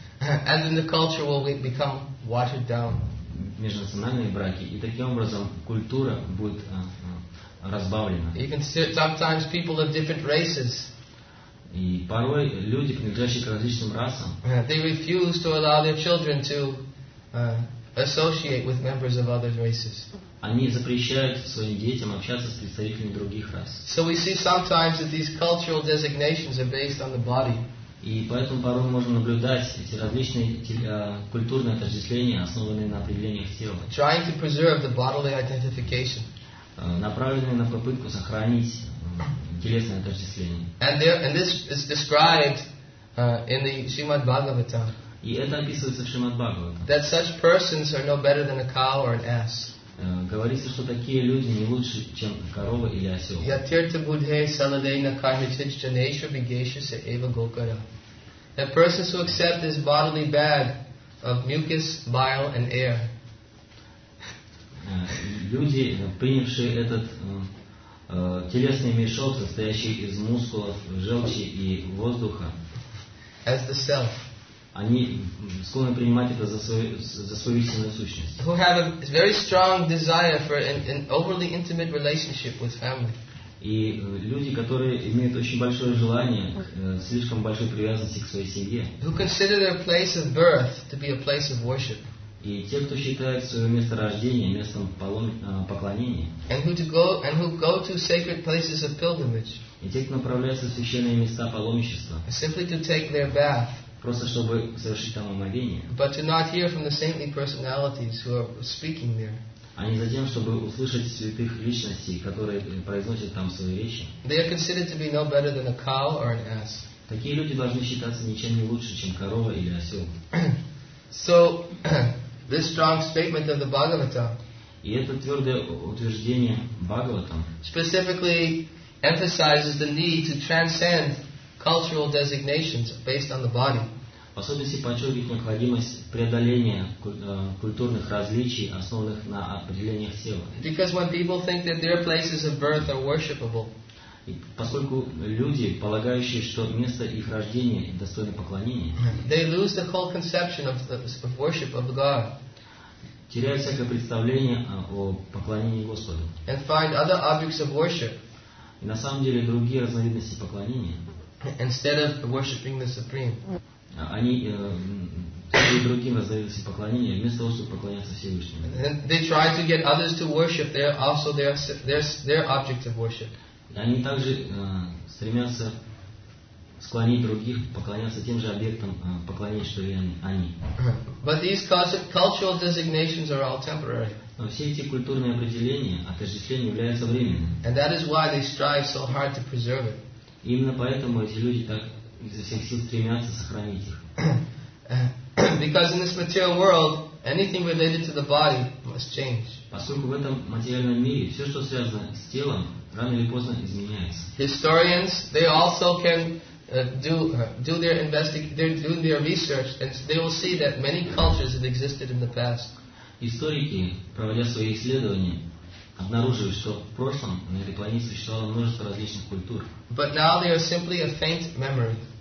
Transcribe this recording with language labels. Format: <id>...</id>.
<en>And then the culture will become watered down.</en> <ru>Межнациональные браки, и таким образом культура будет разбавлена.</ru> <en>You can see sometimes people of different races.</en> <ru>И порой люди, принадлежащие к различным расам,</ru> <en>they refuse to allow their children to associate with members of other races.</en> <ru>Они запрещают своим детям общаться с представителями других рас.</ru> <en>So we see sometimes that these cultural designations are based on the body.</en> <ru>И поэтому порой можно наблюдать эти различные культурные отождествления, основанные на определениях тела.</ru> <en>Trying to preserve the bodily identification.</en> <ru>Направленные на попытку сохранить телесное отождествление.</ru> <en>And this is described in the Srimad Bhagavatam.</en> <ru>И это описывается в Шримад Бхагаватам.</ru> <en>That such persons are no better than a cow or an ass.</en> <ru>Говорится, что такие люди не лучше, чем корова или осел. Yatirtha buddhe saladeina karmichich janesha vigeshasa eva gokara.</ru> <en>That persons who accept this bodily bag of mucus, bile and air.</en> <ru>Люди, принявшие этот телесный мешок, состоящий из мускулов, желчи и воздуха,</ru> <en>as the self,</en> <ru>они склонны принимать это за свою истинную сущность.</ru> <en>Who have a very strong desire for an overly intimate relationship with family.</en> <ru>И люди, которые имеют очень большое желание, слишком большой привязанности к своей семье.</ru> <en>Who consider their place of birth to be a place of worship.</en> <ru>И те, кто считает свое место рождения местом поклонения.</ru> <en>And who go to sacred places of pilgrimage.</en> <ru>И те, кто направляется в священные места паломничества.</ru> <en>Simply to take their bath.</en> <ru>Просто чтобы совершить там омовение.</ru> <en>But to not hear from the saintly personalities who are speaking there.</en> <ru>А не за тем, чтобы услышать святых личностей, которые произносят там свои речи.</ru> <en>They are considered to be no better than a cow or an ass.</en> <ru>Такие люди должны считаться ничем не лучше, чем корова или осел.</ru> <en>So this strong statement of the Bhagavata.</en> <ru>И это твердое утверждение Бхагаватам.</ru> <en>Specifically emphasizes the need to transcend cultural designations based on the body.</en> <ru>В особенности подчеркивает необходимость преодоления культурных различий, основанных на определениях тела.</ru> <en>Because when people think that their places of birth are worshipable.</en> <ru>И поскольку люди, полагающие, что место их рождения достойно поклонения,</ru> <en>they lose the whole conception of worship of God.</en> <ru>Теряют всякое представление о поклонении Господу.</ru> <en>And find other objects of worship.</en> <ru>И на самом деле другие разновидности поклонения.</ru> <en>Instead of worshiping the Supreme.</en> <ru>Они и другим раздаются поклонения, вместо того, чтобы поклоняться Всевышнему.</ru> <en>They try to get others to worship their also their object of worship.</en> <ru>Они также стремятся склонить других поклоняться тем же объектам поклонения, что и они.</ru> <en>But these cultural designations are all temporary.</en> <ru>Но все эти культурные определения, отождествления являются временными.</ru> <en>And that is why they strive so hard to preserve it.</en> <ru>Именно поэтому эти люди так изо всех сил стремятся сохранить их.</ru> <en>Because in this material world, anything related to the body must change.</en> <ru>Поскольку в этом материальном мире все, что связано с телом, рано или поздно изменяется.</ru> <en>Historians, they also can do their research, and they will see that many cultures have existed in the past.</en> <ru>Историки, проводя свои исследования, обнаруживают, что в прошлом на этой планете существовало множество различных культур.</ru> <en>But now they are simply a faint memory.</en>